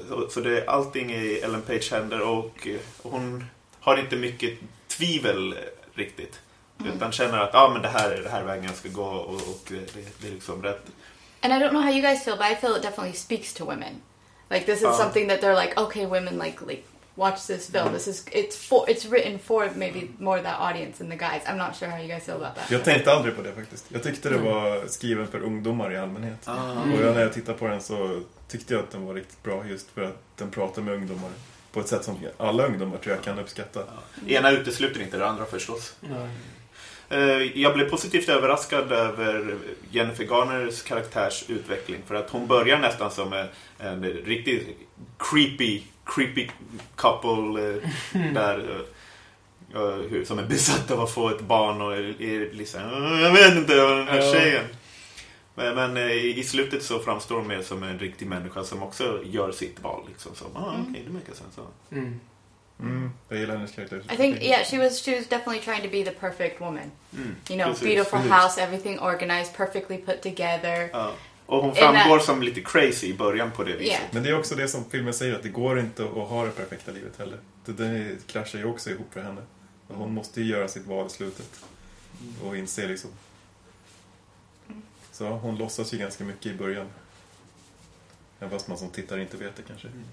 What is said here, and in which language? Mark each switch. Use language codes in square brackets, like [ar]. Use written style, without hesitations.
[sv] Så det, allting är Ellen Page händer och hon har inte mycket tvivel riktigt. Utan känner att men det här vägen jag ska gå och det är liksom rätt. [en] And I don't know how you guys feel, but I feel it definitely speaks to women. Like, this is something that they're like, okay, women like watch this film. It's written for maybe more that audience than the guys. I'm not sure how you guys feel about that. [sv] Jag tänkte aldrig på det faktiskt. Jag tyckte det var skriven för ungdomar i allmänhet. Och när jag tittade på den så tyckte jag att den var riktigt bra just för att den pratar med ungdomar på ett sätt som alla ungdomar tror jag kan uppskatta. Ena utesluter inte det andra förstås. Jag blev positivt överraskad över Jennifer Garners karaktärs utveckling, för att hon börjar nästan som en riktigt [en] creepy couple [sv] där som är besatt av att få ett barn och är liksom, jag vet inte vad den här tjejen. Men i slutet så framstår hon mer som en riktig människa som också gör sitt val liksom, så okej, det märker sen så. Jag gillar hennes karaktär. [en] I think she was definitely trying to be the perfect woman. You know, beautiful house, everything organized, perfectly put together. [sv] Och hon framgår som lite crazy i början på det viset. Men det är också det som filmen säger, att det går inte att ha det perfekta livet heller. Det kraschar ju också ihop för henne. Och hon måste ju göra sitt val i slutet. Och inse liksom. Så hon låtsas ju ganska mycket i början. Fast man som tittar inte vet det kanske.